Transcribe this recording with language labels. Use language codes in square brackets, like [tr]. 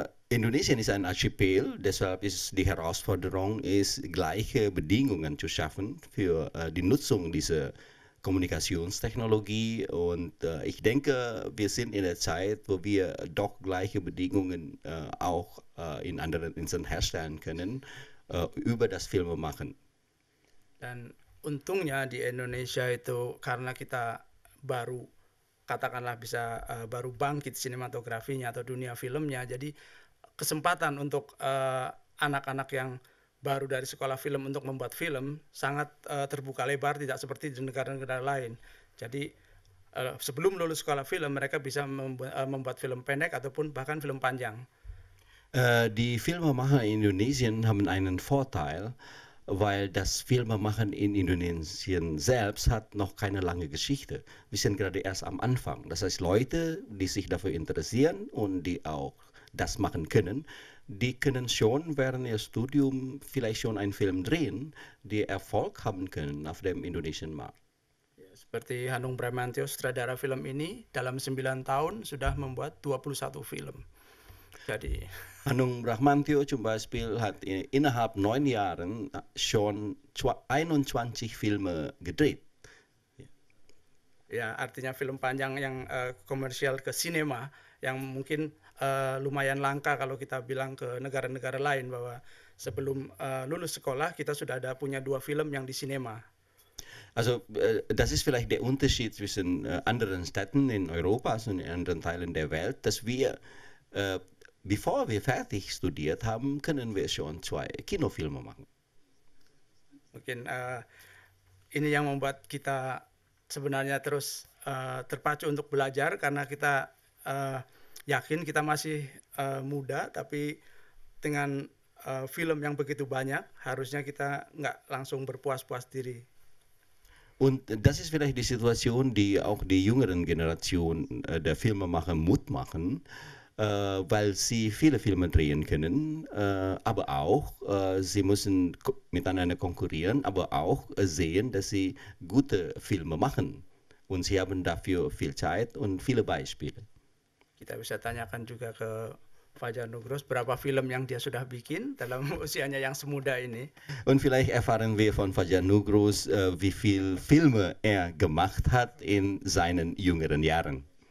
[de] Indonesien ist ein Archipel, deshalb ist die Herausforderung, ist, gleiche Bedingungen zu schaffen für die Nutzung dieser Kommunikationstechnologie. Und ich denke, wir sind in der Zeit, wo wir doch gleiche Bedingungen auch in anderen Inseln herstellen können, über das Filme machen. [id] Dan untungnya di Indonesia itu karena kita baru katakanlah bisa baru bangkit sinematografinya atau dunia filmnya, jadi kesempatan untuk anak-anak yang baru dari sekolah film untuk membuat film sangat terbuka lebar, tidak seperti di negara-negara lain. Jadi sebelum lulus sekolah film mereka bisa membuat film pendek ataupun bahkan film panjang. [de] Die Filmemacher in Indonesien haben einen Vorteil, weil das Filmemachen in Indonesien selbst hat noch keine lange Geschichte. Wir sind gerade erst am Anfang. Das heißt, Leute, die sich dafür interessieren und die auch das machen können, die können schon während ihr Studium vielleicht schon einen Film drehen, die Erfolg haben können auf dem indonesischen Markt. [id] Seperti Hanung Bramantyo, sutradara film ini dalam 9 tahun sudah membuat 21 film. Jadi [de] Hanung Bramantyo zum Beispiel hat innerhalb 9 Jahren schon 21 Filme gedreht. [id] Ya, artinya film panjang yang komersial ke sinema yang mungkin lumayan langka kalau kita bilang ke negara-negara lain bahwa sebelum lulus sekolah kita sudah ada punya 2 film yang di sinema. [de] Also das ist vielleicht der Unterschied zwischen anderen Städten in Europa und in anderen Teilen der Welt, dass wir, bevor wir fertig studiert haben, können wir schon 2 Kinofilme machen. [id] Mungkin ini yang membuat kita sebenarnya terus terpacu untuk belajar karena kita yakin kita masih muda, tapi dengan film yang begitu banyak, harusnya kita nggak langsung berpuas-puas diri. [de] Und das ist vielleicht die Situation, die auch die jüngeren Generationen der Filmemacher Mut machen, weil sie viele Filme drehen können, aber auch sie müssen miteinander konkurrieren, aber auch sehen, dass sie gute Filme machen. Und sie haben dafür viel Zeit und viele Beispiele. [id] Kita bisa tanyakan juga ke Fajar Nugros, berapa film yang dia sudah bikin dalam usianya yang semuda ini. [de] Und vielleicht erfahren wir von Fajar Nugros, wie viel Filme er gemacht hat in seinen jüngeren Jahren.